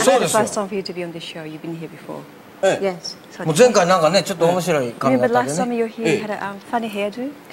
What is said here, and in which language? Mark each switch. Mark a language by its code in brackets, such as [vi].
[ja] そうですよ。 [en] This is the first time for you to be on this show. You've been here before. Yes. [ja] もう前回なんかねちょっと面白い感じだったね。 [en] Remember last time you were here, you had a funny hairdo.